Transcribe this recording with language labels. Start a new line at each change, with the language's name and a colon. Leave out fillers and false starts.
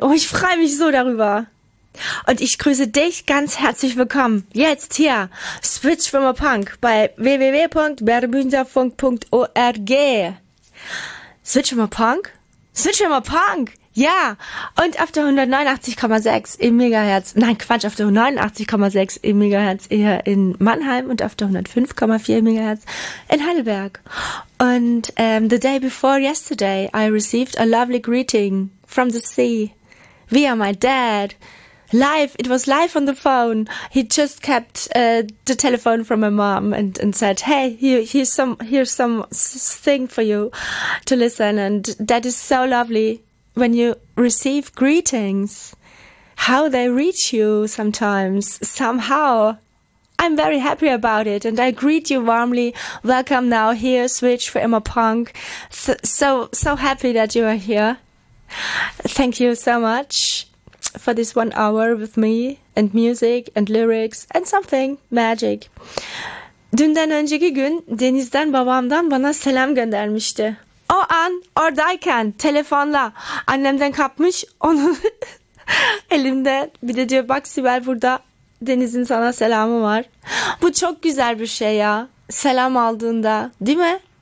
German: Oh, ich freue mich so darüber. Und ich grüße dich ganz herzlich willkommen, jetzt hier, Switch from a Punk bei www.berbünserfunk.org. Switch from a Punk? Switch from a Punk! Ja! Und auf der 189,6 im Megahertz, nein Quatsch, auf der 89,6 im Megahertz eher in Mannheim und auf der 105,4 im Megahertz in Heidelberg.
English: Und the day before yesterday I received a lovely greeting from the sea via my dad. Live, it was live on the phone. He just kept the telephone from my mom and said, hey, here's some thing for you to listen. And that is so lovely when you receive greetings, how they reach you sometimes, somehow. I'm very happy about it and I greet you warmly. Welcome now here, Switch for Emma Punk. So happy that you are here. Thank you so much for this 1 hour with me and music and lyrics and something magic.
Turkish: Dünden önceki gün Deniz'den babamdan bana selam göndermişti. O an oradayken telefonla annemden kapmış onun elimde. Bir de diyor bak Sibel burada Deniz'in sana selamı var. Bu çok güzel bir şey ya. Selam aldığında değil mi?